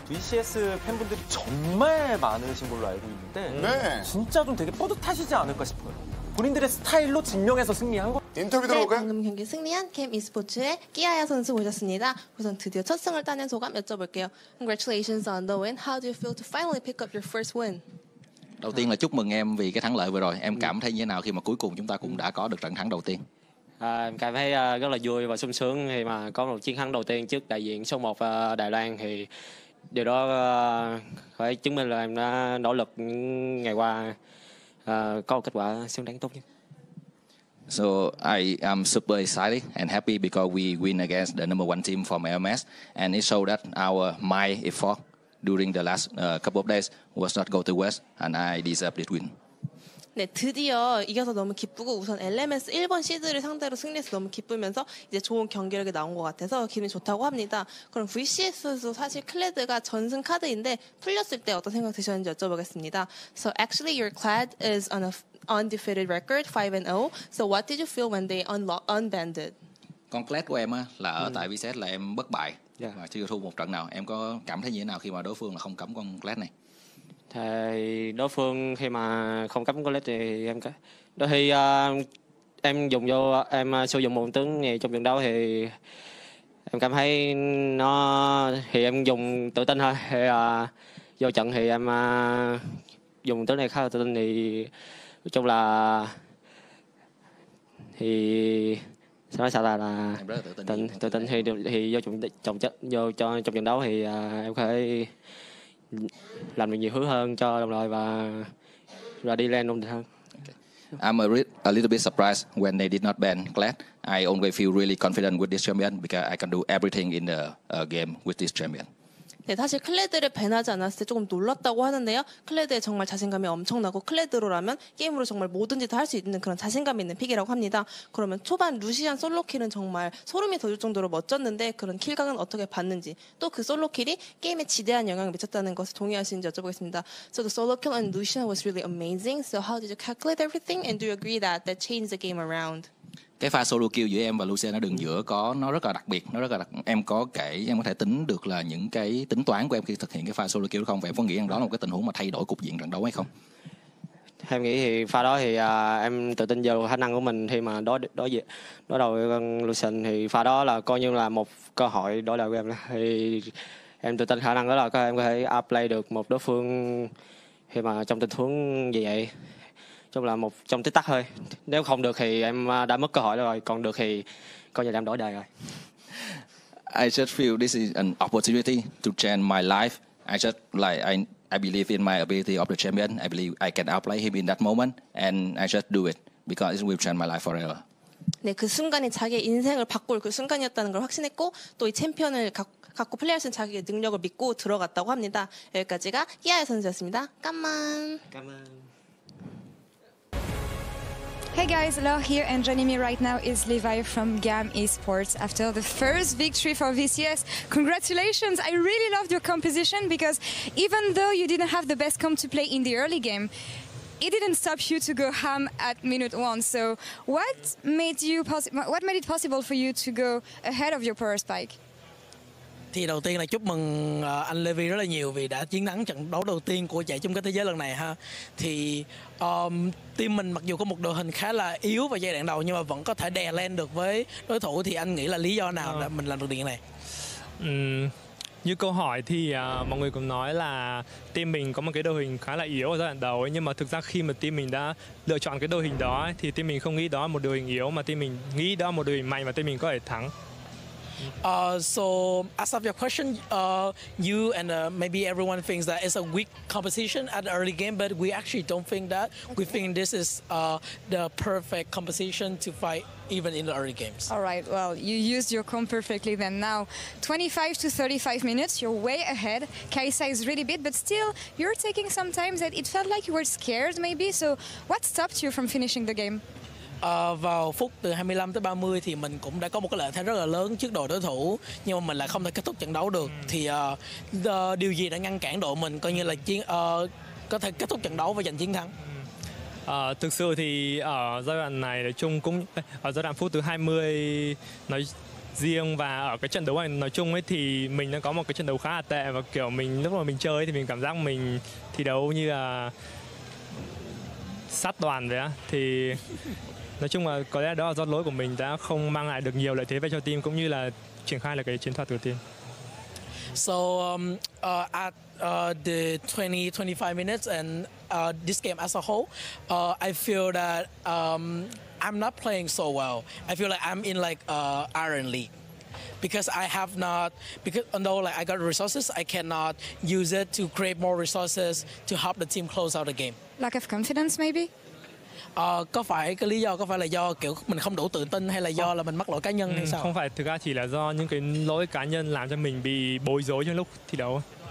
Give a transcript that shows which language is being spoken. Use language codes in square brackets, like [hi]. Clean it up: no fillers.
[ko] DCS 팬분들이 정말 많으신 걸로 알고 있는데 네. 진짜 좀 되게 뿌듯하시지 않을까 싶어요. 본인들의 스타일로 증명해서 승리한 거. 인터뷰 들어볼까요? 네, 방금 경기 승리한 게임 e스포츠의 끼아야 선수 모셨습니다. 우선 드디어 첫 승을 따낸 소감 여쭤볼게요. [en] Congratulations on the win. How do you feel to finally pick up your first win? [vi] 첫 tiên là chúc mừng em vì cái thắng lợi vừa rồi. Em cảm thấy như thế nào khi mà cuối cùng chúng ta cũng đã có được trận thắng đầu tiên? À, em cảm thấy rất là vui và sung sướng khi mà có một chiến thắng đầu tiên trước đại diện số 1 Đài Loan. Thì điều đó phải chứng minh là em đã nỗ lực ngày qua có một kết quả xứng đáng tốt nhất. [en] So I am super excited and happy because we win against the number one team from LMS. And it showed that my effort during the last couple of days was not go to waste and I deserve this win. [ko] 네, 드디어 이겨서 너무 기쁘고 우선 LMS 1번 시드를 상대로 승리해서 너무 기쁘면서 이제 좋은 경기력이 나온 것 같아서 기분이 좋다고 합니다. 그럼 VCS도 사실 클레드가 전승 카드인데 풀렸을 때 어떤 생각 드셨는지 여쭤보겠습니다. [en] So actually your clad is on an undefeated record 5-0. So what did you feel when they unbanded? [vi] Con clad của em là ở tại VCS là em bất bại và chưa thua một trận nào. Em có cảm thấy như thế nào khi mà đối phương là không cấm con clad này? Thì đối phương khi mà không cấm con led thì em có đôi khi em dùng vô em sử dụng một tướng này trong trận đấu thì em cảm thấy nó thì em dùng tự tin thôi thì vô trận thì em dùng tướng này khá là tự tin thì nói chung là thì sẽ nói sao là em rất là tự tin thì vô trong trận đấu thì em có thể làm được nhiều thứ hơn cho đồng đội và đi lên luôn được hơn. [en] Okay. I'm a little bit surprised when they did not ban Glad. I always feel really confident with this champion because I can do everything in the game with this champion. [ko] 네, 사실 클레드를 밴하지 않았을 때 조금 놀랐다고 하는데요. 클레드의 정말 자신감이 엄청나고 클레드로라면 게임으로 정말 뭐든지 다 할 수 있는 그런 자신감 있는 픽이라고 합니다. 그러면 초반 루시안 솔로 킬은 정말 소름이 돋을 정도로 멋졌는데 그런 킬각은 어떻게 봤는지 또 그 솔로 킬이 게임에 지대한 영향을 미쳤다는 것을 동의하시는지 여쭤보겠습니다. [en] So the solo kill on Lucian was really amazing. So how did you calculate everything and do you agree that that changed the game around? [vi] 그 pha solo kill giữa em và Lucian ở đường giữa có nó rất là đặc biệt, nó rất là đặc. Em có kể em có thể tính được là những cái tính toán của em khi thực hiện cái pha solo kill đó không? Vậy em có nghĩ rằng đó là một cái tình huống mà thay đổi cục diện trận đấu hay không? Em nghĩ thì pha đó thì em tự tin vào khả năng của mình khi mà đối đầu với Lucian thì pha đó là coi như là một cơ hội đối đầu với em đó. Thì em tự tin khả năng đó là em có thể outplay được một đối phương khi mà trong tình huống như vậy. Chúng là một trong tích tắc thôi. Nếu không được thì em đã mất cơ hội rồi. Còn được thì coi như là em đổi đời rồi. [en] I just feel this is an opportunity to change my life. I just like I believe in my ability of the champion. I believe I can outplay him in that moment and I just do it because it will change my life forever. [ko] 네, 그 순간이 자기의 인생을 바꿀 그 순간이었다는 걸 확신했고 또 이 챔피언을 갖고 플레이할 수 있는 자기의 능력을 믿고 들어갔다고 합니다. 여기까지가 히아야 선수였습니다. 까만. 까만. [en] Hey guys, Loh here, and joining me right now is Levi from GAM Esports. After the first victory for VCS, congratulations! I really loved your composition because even though you didn't have the best comp to play in the early game, it didn't stop you to go ham at minute one. So what made you what made it possible for you to go ahead of your power spike? [vi] Thì đầu tiên là chúc mừng anh Levi rất là nhiều vì đã chiến thắng trận đấu đầu tiên của giải chung kết thế giới lần này ha. Thì team mình mặc dù có một đội hình khá là yếu vào giai đoạn đầu nhưng mà vẫn có thể đè lên được với đối thủ, thì anh nghĩ là lý do nào là mình làm được điều này? Như câu hỏi thì mọi người cũng nói là team mình có một cái đội hình khá là yếu ở giai đoạn đầu ấy, nhưng mà thực ra khi mà team mình đã lựa chọn cái đội hình đó ấy, thì team mình không nghĩ đó là một đội hình yếu mà team mình nghĩ đó là một đội hình mạnh và team mình có thể thắng. [en] So, as of your question, you and maybe everyone thinks that it's a weak composition at the early game, but we actually don't think that. We think this is the perfect composition to fight even in the early games. All right, well, you used your comp perfectly then. Now, 25 to 35 minutes, you're way ahead. Kai'Sa is really beat, but still, you're taking some time that it felt like you were scared maybe. So, what stopped you from finishing the game? [vi] Vào phút từ 25 tới 30 thì mình cũng đã có một cái lợi thế rất là lớn trước đội đối thủ, nhưng mà mình lại không thể kết thúc trận đấu được. Thì điều gì đã ngăn cản đội mình coi như là có thể kết thúc trận đấu và giành chiến thắng? Thực sự thì ở giai đoạn này nói chung cũng ở giai đoạn phút thứ 20 nói riêng và ở cái trận đấu này nói chung ấy thì mình đang có một cái trận đấu khá là tệ, và kiểu mình lúc mà mình chơi thì mình cảm giác mình thi đấu như là sát toàn vậy á. Thì nói chung là có lẽ đó là do lỗi của mình đã không mang lại được nhiều lợi thế về cho team cũng như là triển khai là cái chiến thuật của team. [en] So at the 20-25 minutes and this game as a whole, I feel that I'm not playing so well. I feel like I'm in like Iron League, because I have not, because although like I got resources, I cannot use it to create more resources to help the team close out the game. Lack of confidence maybe? [vi] Có phải cái lý do có phải là do kiểu mình không đủ tự tin hay là do là mình mắc lỗi cá nhân hay sao? Không phải, thực ra chỉ là do những cái lỗi cá nhân làm cho mình bị bối rối trong lúc thi đấu.